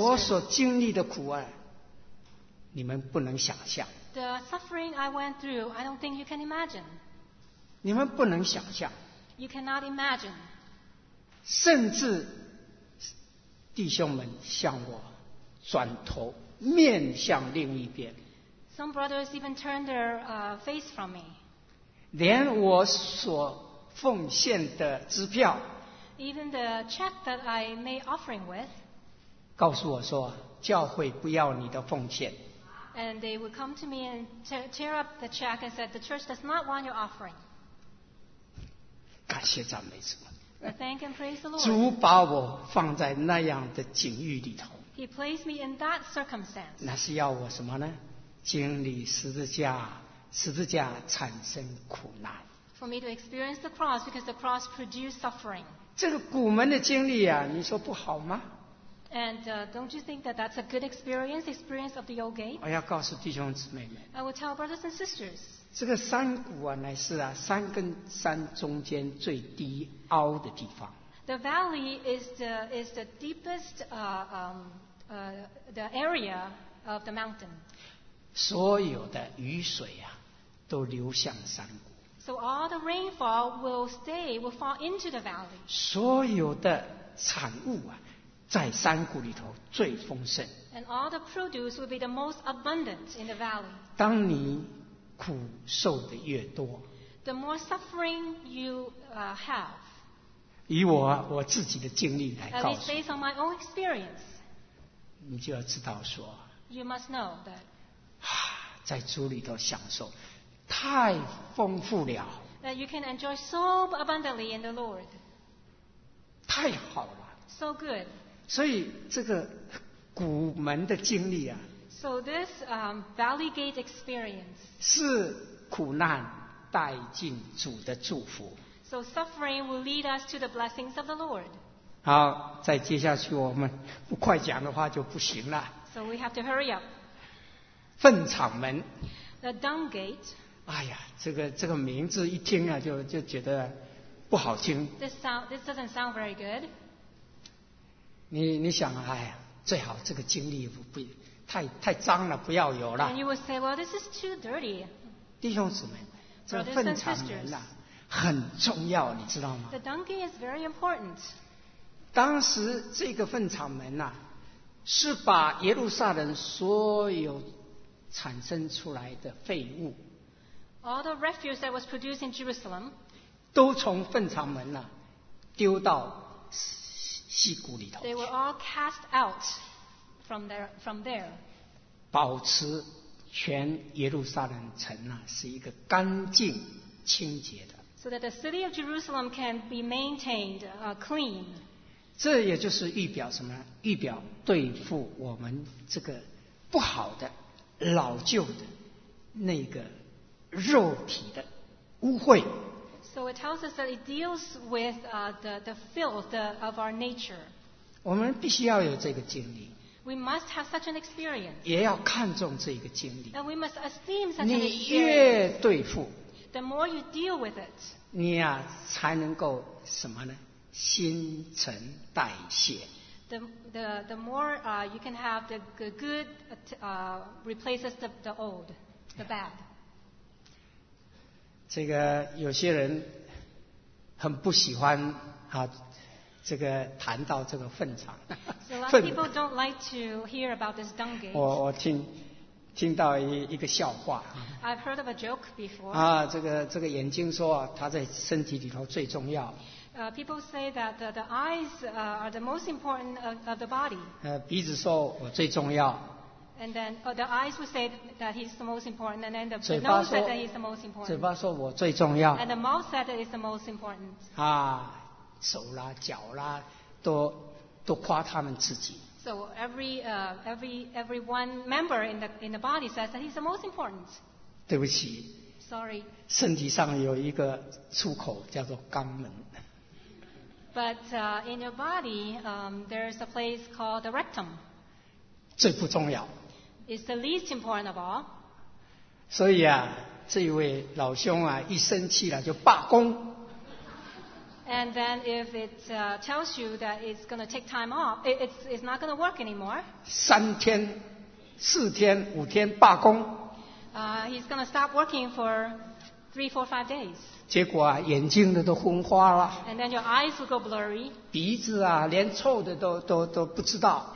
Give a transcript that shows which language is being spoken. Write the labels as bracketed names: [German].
[Chinese] 我所经历的苦啊，你们不能想象。 [English] The suffering I went through, I don't think you can imagine. [Chinese] 你们不能想象。 [English] You cannot imagine. [Chinese] 甚至弟兄们向我转头，面向另一边。 [English] Some brothers even turned their face from me. [Chinese] 连我所奉献的支票 [English] ，even the check that I made offering with， [Chinese] 告诉我说教会不要你的奉献。 [English] And they would come to me and tear up the check and said the church does not want your offering. [Chinese] 感谢赞美主。 [English] Thank and praise the Lord. [Chinese] 主把我放在那样的境遇里头。 [English] He placed me in that circumstance. [Chinese] 那是要我什么呢？经历十字架，十字架产生苦难。 [English] For me to experience the cross, because the cross produced suffering. [Chinese] 这个苦门的经历啊，你说不好吗？ [English] And don't you think that that's a good experience, experience of the old gate? [Chinese] 我要告诉弟兄姊妹们。 [English] I will tell brothers and sisters. [Chinese] 这个山谷啊，乃是啊山跟山中间最低凹的地方。 [English] The valley is the deepest the area of the mountain. [Chinese] 所有的雨水啊，都流向山谷。 [English] So all the rainfall will fall into the valley. [Chinese] 所有的产物啊，在山谷里头最丰盛。 [English] And all the produce will be the most abundant in the valley. [Chinese] 当你苦受的越多 [English] ，the more suffering you have. [Chinese] 以我自己的经历来告诉你 [English] ，at least based on my own experience. [Chinese] 你就要知道说 [English] ，you must know that. [Chinese] 在主里头享受。太丰富了。 [English] That you can enjoy so abundantly in the Lord. [Chinese] 太好了。 [English] So good. [Chinese] 所以这个谷门的经历啊。 [English] So this valley gate experience. [Chinese] 是苦难带进主的祝福。 [English] So suffering will lead us to the blessings of the Lord. [Chinese] 好，再接下去我们不快讲的话就不行了。 [English] So we have to hurry up. [Chinese] 粪场门。 [English] The dung gate. [Chinese] 哎呀，这个名字一听啊，就觉得不好听。 [English] This doesn't sound very good. [Chinese] 你想，哎呀，最好这个经历不太脏了，不要有了。 [English] And you would say, well, this is too dirty. [Chinese] 弟兄姊妹，这粪场门呐、啊、很重要，你知道吗 [English] ？The dung gate is very important. [Chinese] 当时这个粪场门呐、啊，是把耶路撒冷所有产生出来的废物。 [English] All the refuse that was produced in Jerusalem, [Chinese] 都从粪场门呐、啊、丢到溪谷里头。 [English] They were all cast out from there. [Chinese] 保持全耶路撒冷城呐、啊、是一个干净清洁的。 [English] So that the city of Jerusalem can be maintained clean. [Chinese] 这也就是预表什么？预表对付我们这个不好的、老旧的那个。肉体的污秽。 [English] So it tells us that it deals with the filth of our nature. [Chinese] 我们必须要有这个经历。 [English] We must have such an experience. [Chinese] 也要看重这个经历。 [English] And we must esteem such an experience. [Chinese] 你越对付 [English] ，the more you deal with it. [Chinese] 你呀、啊、才能够什么呢？新陈代谢。 [English] The more you can have the good replaces the old, the bad. [Chinese] 这个有些人很不喜欢啊，这个谈到这个粪场。 [English] So a lot of people don't like to hear about this dung gate. [Chinese] 我听听到一个笑话。 [English] I've heard of a joke before. [Chinese] 啊，这个眼睛说它在身体里头最重要。 [English] People say that the eyes are the most important of the body. [Chinese] 鼻子说我最重要。 [English] And then the eyes would say that he's the most important, and then the nose said that he's the most important. [Chinese] 嘴巴说我最重要。 [English] And the mouth said that he's the most important. [Chinese] 啊，手啦，脚啦，都夸他们自己。 [English] So every one member in the body says that he's the most important. [Chinese] 对不起。 [English] Sorry. [Chinese] 身体上有一个出口叫做肛门。 [English] But in your body, there's a place called the rectum. [Chinese] 最不重要。 [English] It's the least important of all. [Chinese] 所以啊，这一位老兄啊，一生气了就罢工。 [English] And then if it tells you that it's going to take time off, it's not going to work anymore. [Chinese] 三天，四天，五天罢工。 [English] He's going to stop working for 3, 4, 5 days. [Chinese] 结果啊，眼睛的都昏花了。 [English] And then your eyes will go blurry. [Chinese] 鼻子啊，连臭的都不知道。